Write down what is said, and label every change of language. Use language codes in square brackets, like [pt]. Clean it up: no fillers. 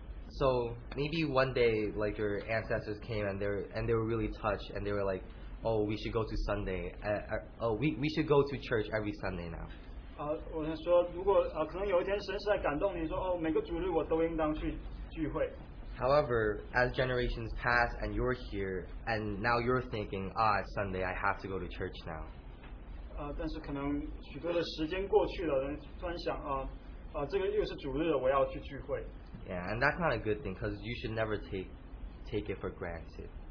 [en] So maybe one day like your ancestors came and they were really touched and they were like, oh, we should go to Sunday. We should go to church every Sunday now. [zh] 我想说，如果可能有一天神是在感动你说，哦，每个主日我都应当去聚会。 [en] However, as generations pass and you're here and now you're thinking, ah, it's Sunday, I have to go to church now. [zh] 但是可能许多的时间过去了，人突然想，这个又是主日了，我要去聚会。 [en] Yeah, and that's not a good thing because you should never take it for granted.